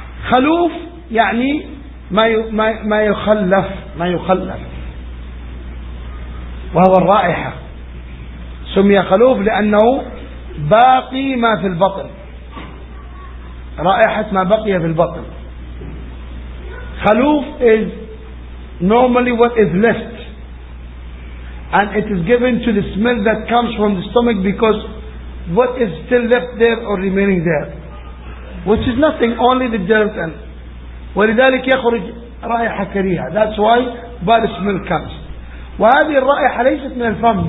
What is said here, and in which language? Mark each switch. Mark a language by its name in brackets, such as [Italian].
[Arabic] خلوف يعني ما يخلف, ما يخلف, وهو الرائحة. سمي خلوف لأنه باقي ما في البطن, رائحة ما بقي في البطن. [English] خلوف is normally what is left, and it is given to the smell that comes from the stomach, because what is still left there or remaining there, which is nothing, only the dirt. [Arabic] And ولذلك يخرج رائحة كريهة. [English] That's why bad smell comes. [Arabic] وهذه الرائحة ليست من الفم.